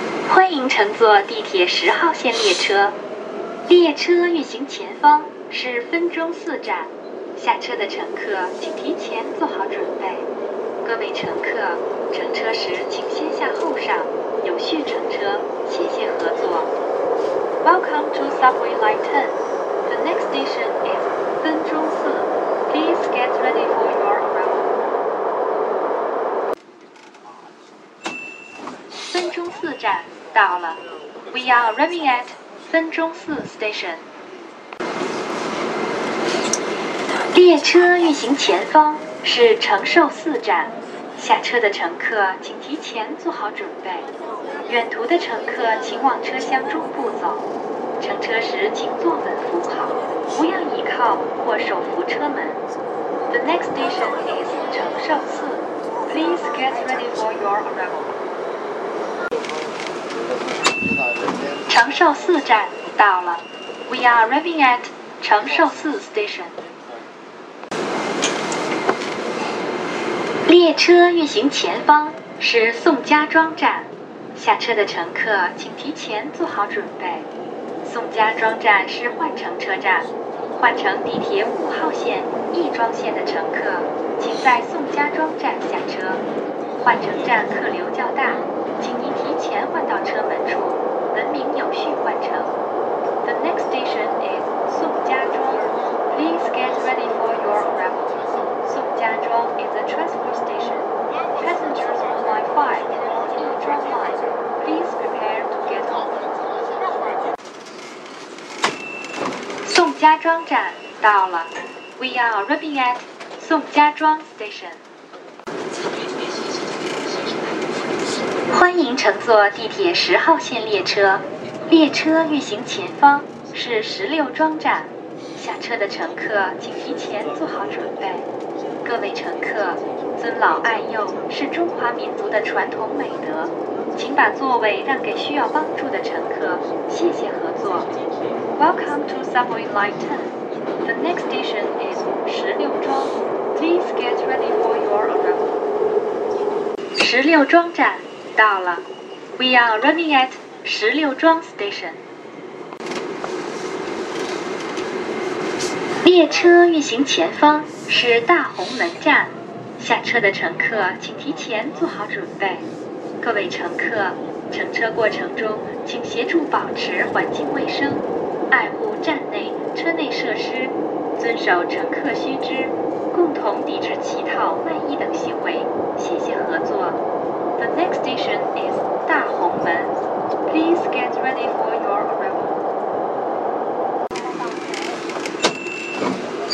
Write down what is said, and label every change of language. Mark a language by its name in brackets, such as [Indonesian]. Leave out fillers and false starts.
[Chinese] 欢迎乘坐地铁10号线列车，列车运行前方是分钟4站，下车的乘客请提前做好准备。各位乘客，乘车时请先下后上，有序乘车，谢谢合作。 [English] Welcome to Subway Line 10. The next station is 分钟四， Please get ready for your arrival。 [Chinese] 分钟四站到了， [English] We are arriving at 分钟四 station。 [Chinese] 列车运行前方是承寿寺站，下车的乘客请提前做好准备，远途的乘客请往车厢中部走，乘车时请坐稳扶好，不要倚靠或手扶车门。 [English] The next station is 承寿寺， Please get ready for your arrival。 [Chinese] 承寿寺站到了， [English] We are arriving at 承寿寺 station。 [Chinese] 列车运行前方是宋家庄站，下车的乘客请提前做好准备。宋家庄站是换乘车站，换乘地铁5号线、亦庄线的乘客请在宋家庄站下车。换乘站客流较大，请您提前换到车门处，文明有序换乘。 [English] The next station is 宋家庄， Please get ready for your arrival。家庄 is a transfer station. Passengers on line 5 in the Yi Zhuang line, please prepare to get off. [Chinese] 宋家庄站到了， [English] We are arriving at 宋家庄 station. [Chinese] 欢迎乘坐地铁10号线列车，列车运行前方是16庄站，下车的乘客请提前做好准备。各位乘客，尊老爱幼是中华民族的传统美德，请把座位让给需要帮助的乘客，谢谢合作。 [English] Welcome to Subway Line 10. The next station is 16庄， Please get ready for your arrival。 [Chinese] 16庄站到了， [English] We are arriving at 16庄 station。 [Chinese] 列车运行前方是大红门站，下车的乘客请提前做好准备。各位乘客，乘车过程中请协助保持环境卫生，爱护站内车内设施，遵守乘客须知，共同抵制乞讨卖艺等行为，谢谢合作。 [English] The next station is 大红门， Please get ready for your arrival。